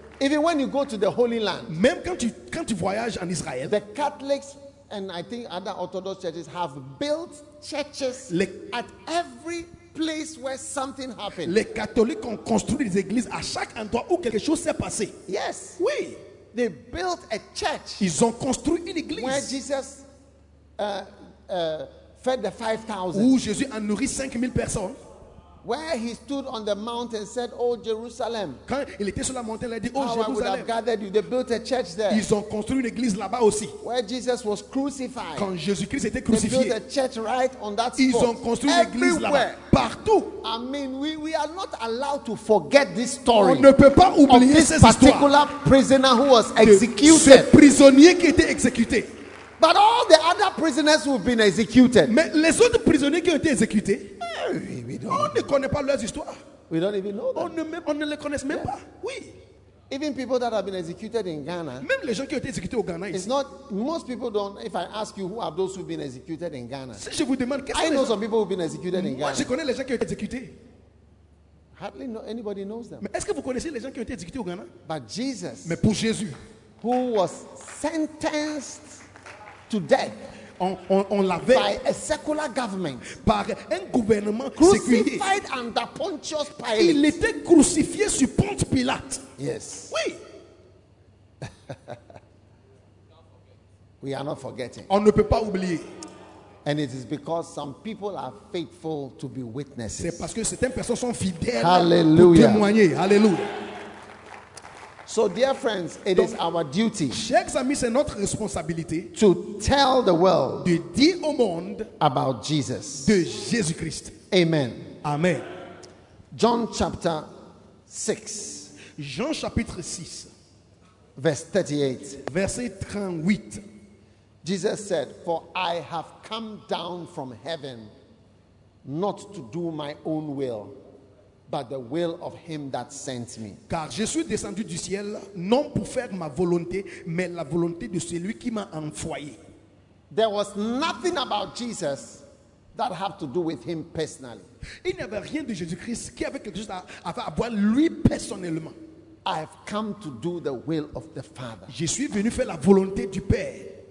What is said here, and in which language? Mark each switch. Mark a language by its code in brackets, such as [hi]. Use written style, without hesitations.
[en] Even when you go to the Holy Land, [fr] même quand tu voyages en Israël, [en] the Catholics and I think other Orthodox churches have built churches at every place where something happened. [fr] Les catholiques ont construit des églises à chaque endroit où quelque chose s'est passé. [en] Yes. [fr] Oui. [en] They built a church. [fr] Ils ont construit une église. [en] Where Jesus fed the 5,000. [fr] Où Jésus a nourri 5,000 personnes. [en] where he stood on the mountain, said, "Oh Jerusalem." [fr] Quand il était sur la montagne, il a dit, "Oh Jérusalem." [en] How I would have gathered you. They built a church there. [fr] Ils ont construit une église là-bas aussi. [en] Where Jesus was crucified. [fr] Quand Jésus-Christ était crucifié. [en] They built a church right on that spot. [fr] Ils ont construit une église [en] everywhere. [fr] Là-bas. Partout. [en] I mean, we are not allowed to forget this story. [fr] On ne peut pas oublier [en] of this particular [fr] histoire. [en] Prisoner who was executed. [fr] Ce prisonnier qui était exécuté. [en] But all the other prisoners who've been executed. [fr] Mais les autres prisonniers qui ont été exécutés. On ne connaît pas leurs histoires. [en] We don't even know them. [fr] On ne les connaît même pas. Oui. [en] Even people that have been executed in Ghana. [fr] Même les gens qui ont été exécutés au Ghana. [en] It's not most people don't. If I ask you who are those who've been executed in Ghana. [fr] Si je vous demande qu'est-ce que. [en] I know some people who've been executed in Ghana. [fr] Je connais les gens qui ont été exécutés. [en] Hardly anybody knows them. [fr] Mais est-ce que vous connaissez les gens qui ont été exécutés au Ghana? [en] But Jesus. [fr] Mais pour Jésus. [en] Who was sentenced to death. [fr] On l'avait [en] by a secular government, [fr] par un gouvernement [en] crucified [fr] séculier. [en] Under Pontius Pilate. [fr] Il était crucifié sur Ponce Pilate. [en] Yes. [fr] Oui. [en] We are not forgetting. [fr] On ne peut pas oublier. [en] And it is because some people are faithful to be witnesses. [fr] C'est parce que certaines personnes sont fidèles pour témoigner. [en] Hallelujah. So, dear friends, it [fr] donc, [en] is our duty, [fr] chers amis, c'est notre responsabilité, [en] to tell the world, [fr] de dire au monde, [en] about Jesus, [fr] de Jésus-Christ. [en] Amen. [fr] Amen. [en] John chapter 6. [fr] Jean chapitre 6. [en] Verse 38. [fr] Verset 38. [en] Jesus said, "For I have come down from heaven, not to do my own will, but the will of him that sent me." [fr] Car je suis descendu du ciel non pour faire ma volonté mais la volonté de celui qui m'a envoyé. [en] There was nothing about Jesus that had to do with him personally. [fr] Il n'y avait rien de Jésus-Christ qui avait quelque chose à voir lui personnellement. [en] I have come to do the will of the Father. [fr] Je suis venu faire la volonté du Père.